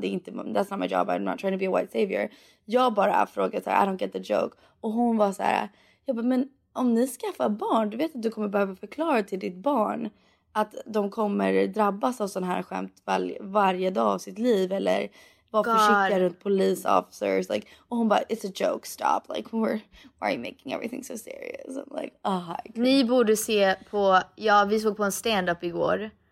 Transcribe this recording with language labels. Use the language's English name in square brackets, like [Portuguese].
[Swedish] Det är inte, [English] that's not my job, I'm not trying to be a white savior. [Swedish] Jag bara frågade så här, [English] I don't get the joke. [Swedish] Och hon var så här, jag bara, men om ni skaffar barn, du vet att du kommer behöva förklara till ditt barn att de kommer drabbas av sån här skämt varje dag av sitt liv. Eller vara försiktiga runt police officers. Like, och hon bara, [English] it's a joke, stop. Like, why are you making everything so serious? I'm like, oh, I can't. [Swedish] Ni borde se på, ja, vi såg på en stand-up igår.